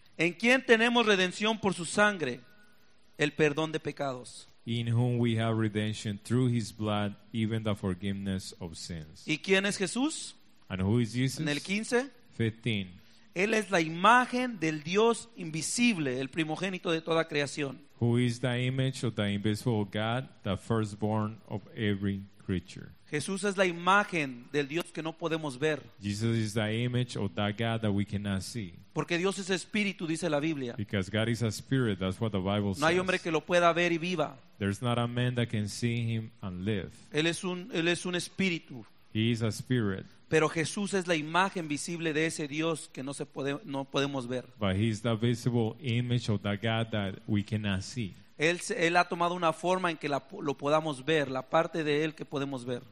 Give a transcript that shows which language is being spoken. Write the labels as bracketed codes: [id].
[es] ¿En quién tenemos redención por su sangre? El perdón de pecados. [en] In whom we have redemption through his blood, even the forgiveness of sins. [es] ¿Y quién es Jesús? [en] And who is Jesus? [es] En el 15. 15. Él es la imagen del Dios invisible, el primogénito de toda creación. [en] Who is the image of the invisible God, the firstborn of every creature. [es] Jesús es la imagen del Dios que no podemos ver. [en] Jesus is the image of that God that we cannot see. [es] Porque Dios es espíritu, dice la Biblia. [en] Because God is a spirit, that's what the Bible says. [es] No hay hombre que lo pueda ver y viva. [en] There's not a man that can see him and live. [es] Él es un espíritu. [en] He is a spirit. [es] Pero Jesús es la imagen visible de ese Dios que no podemos ver. [en] But he is the visible image of that God that we cannot see. [es] Él ha tomado una forma en que lo podamos ver, la parte de él que podemos ver.